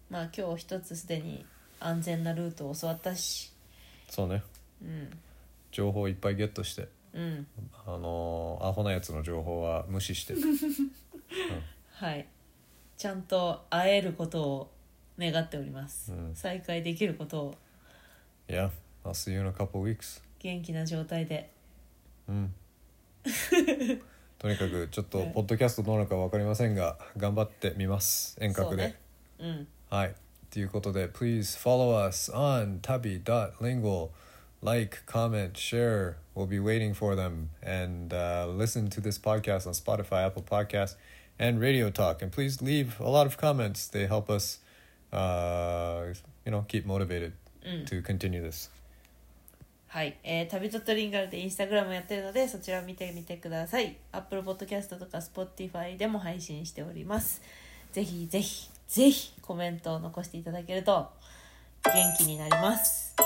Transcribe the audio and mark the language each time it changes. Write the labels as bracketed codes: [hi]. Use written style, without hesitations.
[ja] まあ今日一つすでに安全なルートを教わったし。そうね。情報いっぱいゲットして。アホなやつの情報は無視して。はい。ちゃんと会えることを願っております。再会できることを。 [en] Yeah, I'll see you in a couple weeks. [ja] 元気な状態で。とにかくちょっとポッドキャストどうなるか分かりませんが、頑張ってみます。遠隔で。はい。ということで、 [en] Please follow us on tabi.lingual. Like, comment, share. We'll be waiting for them. And listen to this podcast on Spotify, Apple Podcasts, and Radio Talk. And please leave a lot of comments. They help us, you know, keep motivated to continue this. [ja] はい、タビドットリンガルでインスタグラムやってるのでそちらを見てみてください。 Apple Podcast とか Spotify でも配信しております。ぜひぜひぜひコメントを残していただけると元気になります。